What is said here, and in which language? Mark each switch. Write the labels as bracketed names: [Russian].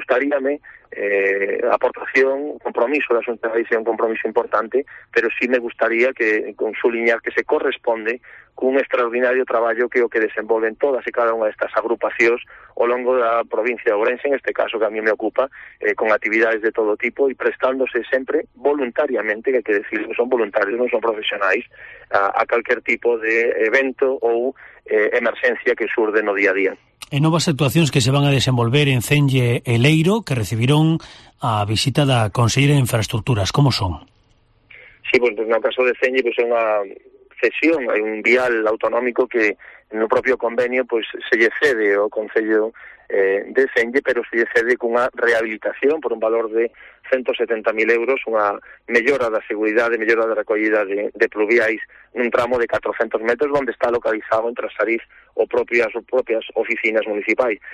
[Galician] Gustaríame aportación, compromiso da Xunta, é un compromiso importante, pero sí me gustaría que con suliñar que se corresponde cun extraordinario traballo que o que desenvolven todas e cada unha destas agrupacións ao longo da provincia de Ourense, en este caso que a mí me ocupa, con actividades de todo tipo e prestándose sempre voluntariamente [Spanish] gente que hay que decir que son voluntarios, no son profesionales, a cualquier tipo de evento o emergencia que surge [Galician] no día a día. En novas actuacións que se van a desenvolver en Cenlle e Leiro, que recibiron a visita da Conselleira de Infraestructuras, como son? Sí, pues no caso de Cenlle, pues é unha cesión, hai un vial autonómico que no propio convenio pues se lle cede o Concello de Cenlle, pero se lle cede cunha rehabilitación por un valor de 170.000 euros, unha mellora da seguridade, mellora da recollida de pluviais nun tramo de 400 metros onde está localizado entre as Sariz ou propias oficinas municipais.